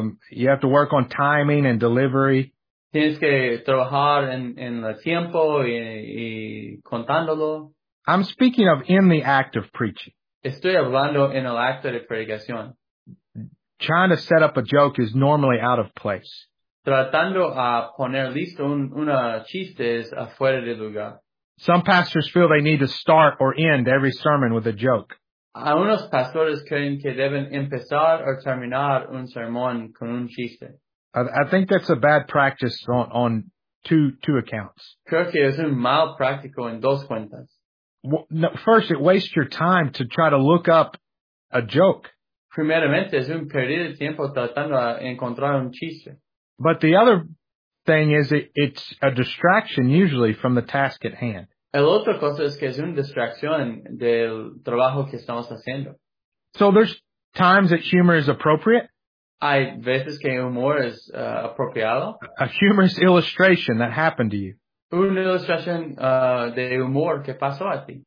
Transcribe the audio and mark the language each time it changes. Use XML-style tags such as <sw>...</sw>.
<en>You have to work on timing and delivery.</en> <es>Tienes que trabajar en el tiempo y contándolo.</es> <en>I'm speaking of in the act of preaching.</en> <es>Estoy hablando en el acto de predicación.</es> <en>trying to set up a joke is normally out of place.</en> <es>Tratando a poner listo una chiste es afuera de lugar.</es> <en>Some pastors feel they need to start or end every sermon with a joke.</en> <es>Algunos pastores creen que deben empezar o terminar un sermón con un chiste.</es> <en>I think that's a bad practice on two accounts.</en> <es>Creo que es un mal práctico en dos cuentas.</es> <en>First, it wastes your time to try to look up a joke.</en> <es>Primeramente, es un perdido tiempo tratando de encontrar un chiste.</es> <en>But the other thing is it's a distraction usually from the task at hand.</en> <es>El otro cosa es que es una distracción del trabajo que estamos haciendo.</es> <en>So there's times that humor is appropriate.</en> <es>Hay veces que humor es apropiado.</es> <en>A humorous illustration that happened to you.</en> <es>Una ilustración de humor que pasó a ti.</es>